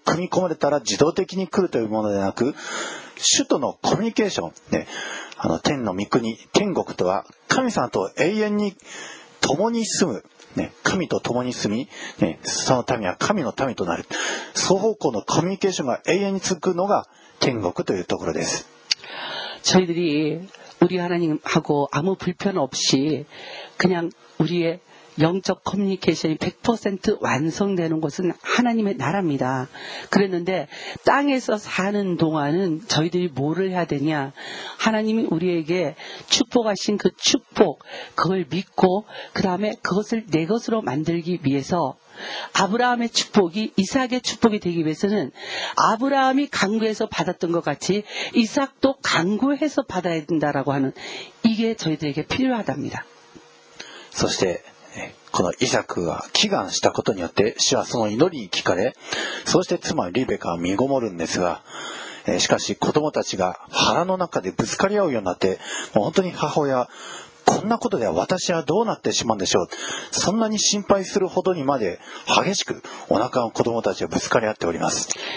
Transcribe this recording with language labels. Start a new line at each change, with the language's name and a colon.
Japanese: 確かにこれが主の道だ。こんなにも主が奇跡的な導きによって導いてくださった。大いなることをしてくださった。奇跡的な歩み、奇跡的な結婚、奇跡的な家計に組み込まれたら自動的に来るというものではなく、 首都のコミュニケーションね、天の御国、天国とは神様と永遠に共に住む、ね、神と共に住み、ね、その民は神の民となる。双方向のコミュニケーションが永遠に続くのが天国というところです。
Korean: 저희들이 우리 하나님하고 아무 불편 없이 그냥 우리의 영적 커뮤니케이션이 100% 완성되는 곳은 하나님의 나라입니다. 그랬는데 땅에서 사는 동안은 저희들이 뭐를 해야 되냐? 하나님이 우리에게 축복하신 그 축복, 그걸 믿고 그 다음에 그것을 내 것으로 만들기 위해서 아브라함의 축복이 이삭의 축복이 되기 위해서는 아브라함이 간구해서 받았던 것 같이 이삭도 간구해서 받아야 된다라고 하는 이게 저희들에게 필요하답니다. 그리고
Japanese: このイサクが祈願したことによって主はその祈りに聞かれ、そして妻リベカは身ごもるんですが、しかし子供たちが腹の中でぶつかり合うようになって、もう本当に母親こんなことでは私はどうなってしまうんでしょう、そんなに心配するほどにまで激しくお腹の子供たちがぶつかり合っております。